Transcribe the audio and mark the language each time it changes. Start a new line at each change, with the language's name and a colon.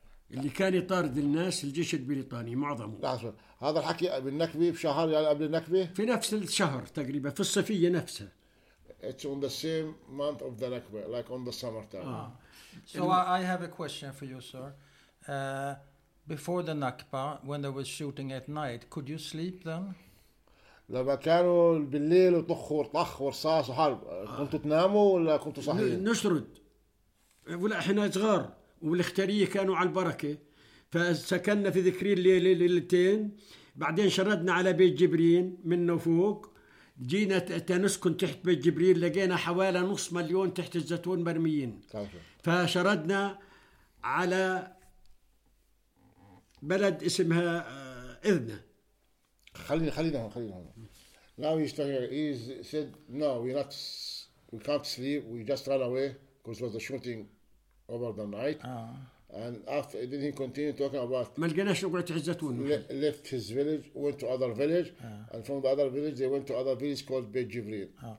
Arabic: اللي كان يطارد الناس الجيش البريطاني معظمه هذا الحكي بالنكبة بشهر يعني قبل النكبة في نفس الشهر تقريبا في الصيفية نفسها
English: it's on the same month of the Nakba like on the summer time so I have a question for you sir before the Nakba when they were shooting at night could you sleep then
Arabic: لما كانوا بالليل وطخوا طخ ورصاص وحرب كنتوا تناموا ولا كنتوا صحيين نشرد ولا احنا صغار والاختارية كانوا على البركة فسكننا في ذكري الليلة ليلتين بعدين شردنا على بيت جبرين منه فوق جينا تنسكن تحت بيت جبرين لقينا حوالي 500,000 تحت الزيتون مرميين فشردنا على بلد اسمها إذنة خلينا
English: now he's talking he said no we can't sleep we just ran away because of the shooting over the night and after then he continued talking about left his village went to other village and from the other village they went to other village called Beit Jibril